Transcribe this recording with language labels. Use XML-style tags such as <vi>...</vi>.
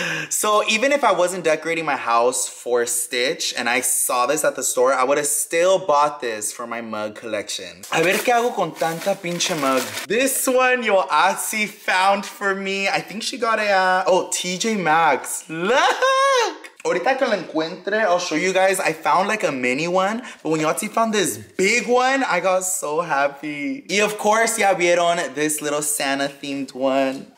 <en>So even if I wasn't decorating my house for Stitch and I saw this at the store, I would have still bought this for my mug collection.</en> <es>A ver qué hago con tanta pinche mug.</es> <en>This one Yoatsi found for me. I think she got it at, oh, TJ Maxx. Look!</en> <es>Ahorita que lo encuentre,</es> <en>I'll show you guys. I found like a mini one, but when Yoatsi found this big one, I got so happy. Y of course,</en> <es>ya vieron</es> <en>this little Santa themed one.</en>